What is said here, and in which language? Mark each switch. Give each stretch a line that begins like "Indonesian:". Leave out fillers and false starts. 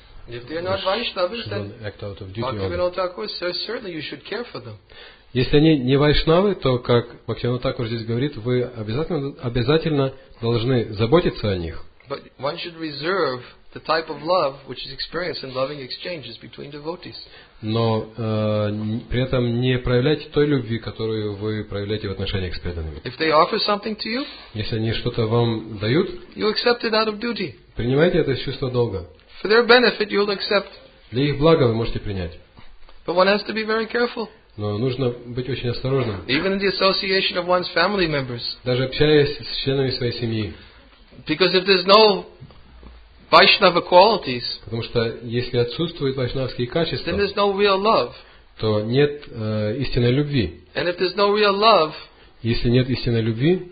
English: If they are not Vaishnavas, then Bhaktivinoda Thakur says certainly you should care for them.
Russian: Если они не вайшнавы, то, как Бхактивинода Такур здесь говорит, вы обязательно должны заботиться о них.
English: But one should reserve the type of love which is experienced in loving exchanges between devotees.
Russian: Но при этом не проявляйте той любви, которую вы проявляете в отношениях с преданными.
English: If they offer something to you,
Russian: если они что-то вам дают,
English: you accept it out of duty.
Russian: Принимайте это из чувства долга.
English: For their benefit, you'll accept.
Russian: Для их блага вы можете принять.
English: But one has to be very careful.
Russian: Но нужно быть очень осторожным.
English: Even in the association of one's family members.
Russian: Даже общаясь с членами своей семьи.
English: Because if there's no Vaishnava qualities,
Russian: потому что если отсутствуют вайшнавские качества,
English: then there's no real love.
Russian: То нет истинной любви.
English: And if there's no real love,
Russian: если нет истинной любви,